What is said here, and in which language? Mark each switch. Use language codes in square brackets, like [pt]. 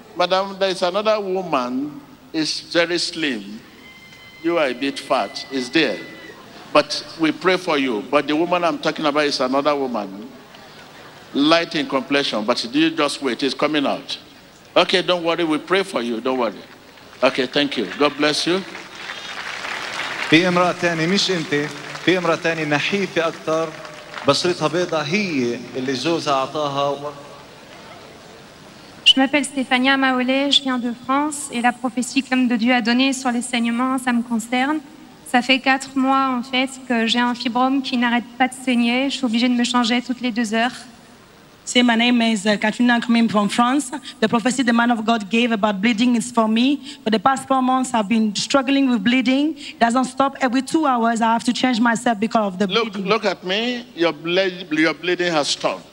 [en] Madam, there is another woman. Is very slim. You are a bit fat, is there? But we pray for you. But the woman I'm talking about is another woman. Light in complexion, but you just wait, it's coming out. Okay, don't worry, we pray for you, don't worry. Okay, thank you. God bless you. [ar] في امرأة تاني مش انت, في امرأة تاني نحيفة أكثر, بشرتها بيضة هي اللي جوزها أعطاها. [fr] Je m'appelle Stéphania Maolet, je viens de France et la prophétie que l'homme de Dieu a donnée sur les saignements, ça me concerne. Ça fait 4 mois en fait que j'ai un fibrome qui n'arrête pas de saigner. Je suis obligée de me changer toutes les 2 heures. [en] See, my name is Katrina, coming from France. The prophecy the man of God gave about bleeding is for me. For the past 4 months, I've been struggling with bleeding. It doesn't stop. Every 2 hours, I have to change myself because of the look, bleeding. Look at me. Your bleeding has stopped.